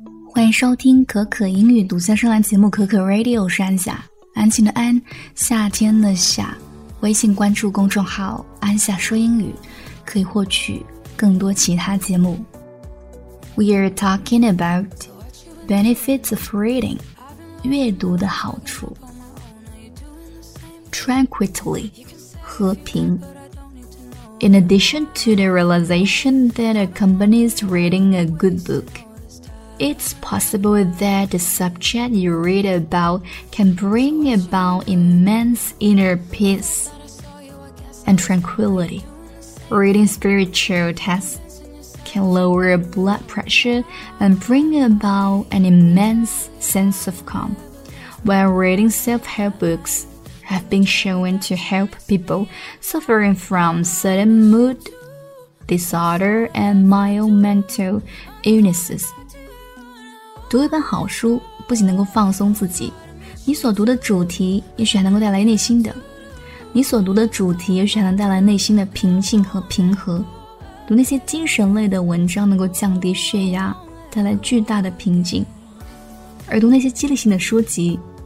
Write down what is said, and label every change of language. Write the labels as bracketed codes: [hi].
[zh] 欢迎收听可可英语独家声浪节目可可 Radio， 是安夏，安静的安，夏天的夏。微信关注公众号安夏说英语，可以获取更多其他节目。 [en] We are talking about benefits of reading， [zh] 阅读的好处。 [en] Tranquility， [zh] 和平。 [en] In addition to the realization that accompanies reading a good book, it's possible that the subject you read about can bring about immense inner peace and tranquility. Reading spiritual texts can lower blood pressure and bring about an immense sense of calm, while reading self-help books. Have been shown to help people suffering from certain mood disorder and mild mental illnesses. [zh] 读一本好书不仅能够放松自己，你所读的主题也许还能够带来内心的，你所读的主题也许还能带来内心的平静和平和。读那些精神类的文章能够降低血压，带来巨大的平静，而读那些激励性的书籍。